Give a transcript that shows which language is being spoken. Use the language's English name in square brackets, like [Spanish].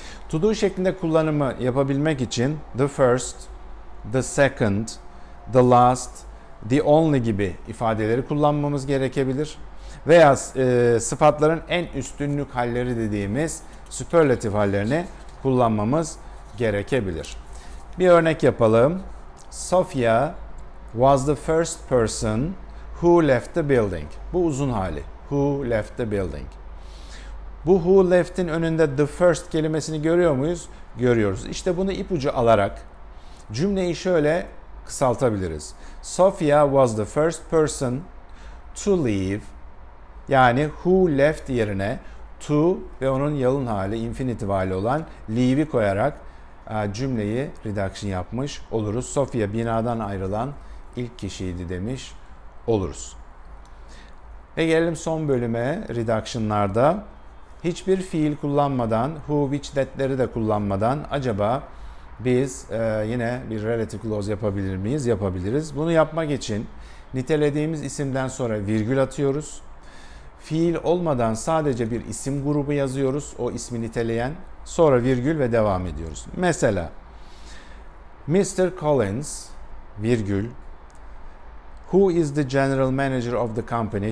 [Turkish] To do şeklinde kullanımı yapabilmek için the first, the second, the last, the only gibi ifadeleri kullanmamız gerekebilir. Veya sıfatların en üstünlük halleri dediğimiz superlative hallerini kullanmamız gerekebilir. Bir örnek yapalım. [English] Sophia was the first person who left the building. [Turkish] Bu uzun hali. [English] Who left the building. [Turkish] Bu who left'in önünde the first kelimesini görüyor muyuz? Görüyoruz. İşte bunu ipucu alarak cümleyi şöyle kısaltabiliriz. [English] Sophia was the first person to leave. [Turkish] Yani who left yerine to ve onun yalın hali, infinitive hali olan leave'i koyarak cümleyi reduction yapmış oluruz. Sophia binadan ayrılan ilk kişiydi demiş oluruz. Ve gelelim son bölüme reduction'larda. Hiçbir fiil kullanmadan, who, which, that'leri de kullanmadan acaba biz yine bir relative clause yapabilir miyiz? Yapabiliriz. Bunu yapmak için nitelediğimiz isimden sonra virgül atıyoruz. Fiil olmadan sadece bir isim grubu yazıyoruz, o ismi niteleyen. Sonra virgül ve devam ediyoruz. Mesela, Mr. [English] Collins, [Turkish] virgül, [English] who is the general manager of the company?